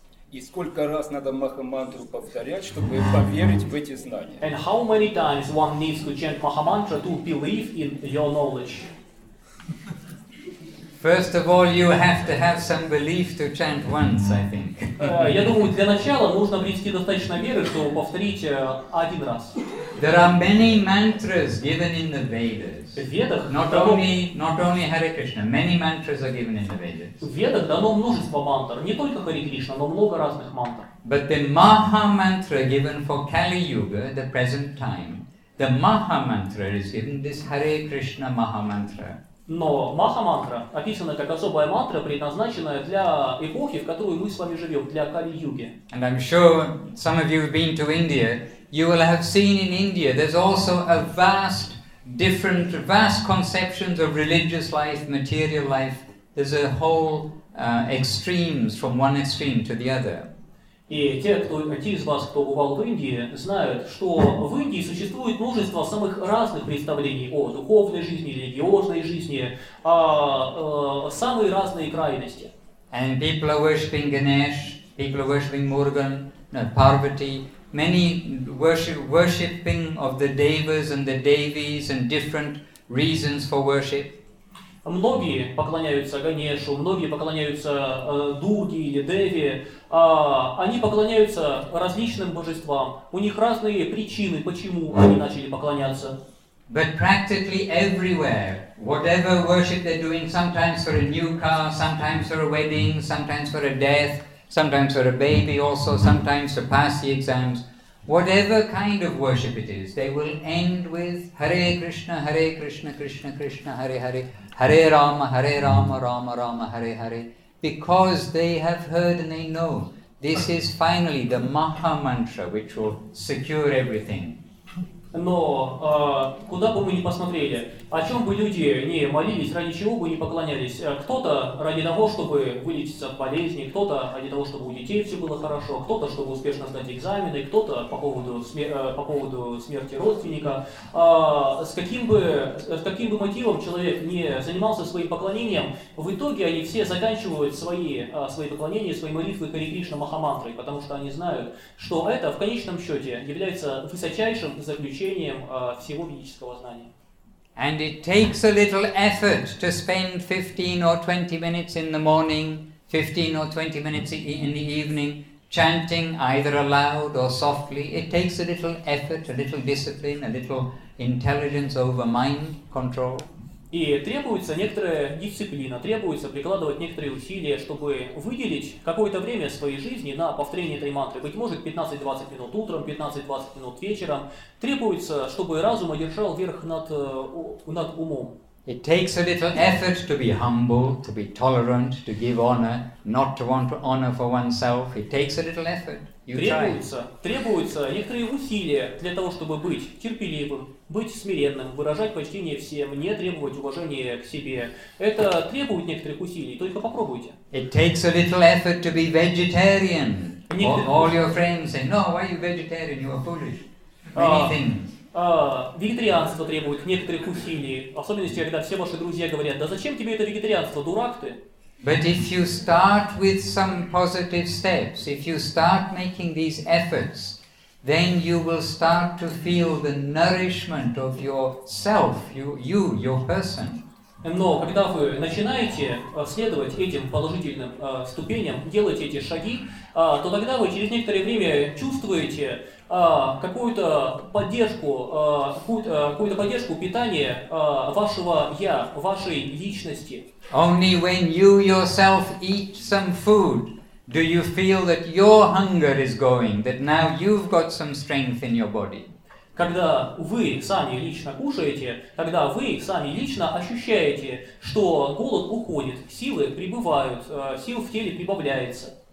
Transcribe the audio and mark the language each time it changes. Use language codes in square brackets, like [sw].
[ru] И сколько раз надо Махамантру повторять, чтобы поверить в эти знания? [en] And how many times one needs to chant Mahamantra to believe in your knowledge? First of all, you have to have some belief to chant once, I think. [ru] Я думаю, для начала нужно обрести достаточно веры, чтобы повторить один раз. [en] There are many mantras given in the Vedas. Not only Hare Krishna, many mantras are given in the Vedas. [ru] В Ведах дано множество мантр, не только Хари Кришна, но много разных мантр. [en] But the Maha mantra given for Kali Yuga, the present time, the Maha mantra is given this Hare Krishna Maha mantra. [ru] Но Маха мантра описана как особая мантра, предназначенная для эпохи, в которой мы с вами живем, для Кали Юги. [en] And I'm sure some of you have been to India. You will have seen in India there's also a vast different vast conceptions of religious life, material life. There's a whole extremes from one extreme to the other. [ru] И те из вас, кто бывал в Индии, знают, что в Индии существует множество самых разных представлений о духовной жизни, религиозной жизни, о самые разные крайности. [en] And people are worshipping Ganesh, people are worshipping Murugan, Parvati, many worshipping of the Devas and the Devis and different reasons for worship. [ru] Многие поклоняются Ганешу, многие поклоняются Дурге или Деве, они поклоняются различным божествам. У них разные причины, почему они начали поклоняться. [en] But practically everywhere, whatever worship they're doing, sometimes for a new car, sometimes for a wedding, sometimes for a death, sometimes for a baby also, sometimes to pass the exams, whatever kind of worship it is, they will end with Hare Krishna, Hare Krishna, Krishna Krishna, Hare Hare, Hare Rama, Hare Rama, Rama Rama, Hare Hare, because they have heard and they know this is finally the Maha Mantra which will secure everything. [ru] Но куда бы мы ни посмотрели, о чем бы люди ни молились, ради чего бы ни поклонялись, кто-то ради того, чтобы вылечиться от болезни, кто-то ради того, чтобы у детей все было хорошо, кто-то, чтобы успешно сдать экзамены, кто-то по поводу смерти родственника. С каким бы мотивом человек ни занимался своим поклонением, в итоге они все заканчивают свои поклонения, свои молитвы Хари Кришна Махамантрой, потому что они знают, что это в конечном счете является высочайшим заключением всего ведического знания. [en] And it takes a little effort to spend 15 or 20 minutes in the morning, 15 or 20 minutes in the evening, chanting either aloud or softly. It takes a little effort, a little discipline, a little intelligence over mind control. [ru] И требуется некоторая дисциплина, требуется прикладывать некоторые усилия, чтобы выделить какое-то время своей жизни на повторение этой мантры. Быть может, 15-20 минут утром, 15-20 минут вечером. Требуется, чтобы разум одержал верх над умом. [en] It takes a little effort to be humble, to be tolerant, to give honor, not to want honor for oneself. It takes a little effort. You try. [ru] Требуется некоторые усилия для того, чтобы быть терпеливым, быть смиренным, выражать почтение всем, не требовать уважения к себе. Это требует некоторых усилий, только попробуйте. [en] It takes a little effort to be vegetarian. All your friends say, no, why are you vegetarian? You are foolish. Many things. [ru] Вегетарианство требует некоторых усилий, в особенности, когда все ваши друзья говорят, да зачем тебе это вегетарианство, дурак ты? [en] But if you start with some positive steps, if you start making these efforts, then you will start to feel the nourishment of yourself, you, your person. [ru] Но когда вы начинаете следовать этим положительным ступеням, делать эти шаги, то тогда вы через некоторое время чувствуете какую-то поддержку, какую-то поддержку питания вашего «я», вашей личности. [en] Only when you yourself eat some food do you feel that your hunger is going, that now you've got some strength in your body. [ru] Когда вы сами лично кушаете, тогда вы сами лично ощущаете, что голод уходит, силы прибывают, сил в теле прибавляется.